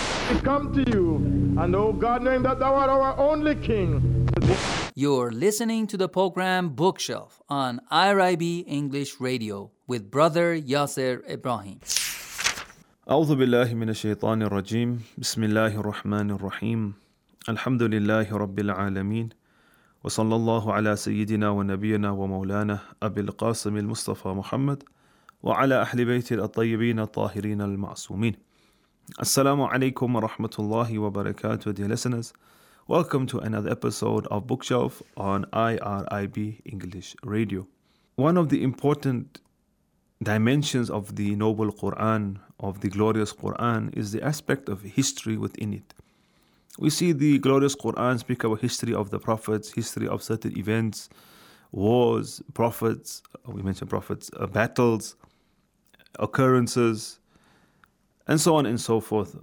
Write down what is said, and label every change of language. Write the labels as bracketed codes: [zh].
[en] We come to you, and O God, knowing that thou art our only King. You're listening to the program Bookshelf on IRIB English Radio with Brother Yasser Ibrahim. [ar] أعوذ بالله من الشيطان الرجيم بسم الله الرحمن الرحيم الحمد لله رب العالمين وصلى الله على سيدنا ونبينا ومولانا أبي القاسم المصطفى محمد وعلى أهل بيت الطيبين الطاهرين المعصومين السلام عليكم ورحمة الله وبركاته [en] dear listeners. Welcome to another episode of Bookshelf on IRIB English Radio. One of the important dimensions of the noble Quran, of the glorious Quran, is the aspect of history within it. We see the glorious Quran speak about history of the prophets, history of certain events, wars, prophets, we mentioned prophets, battles, occurrences, and so on and so forth.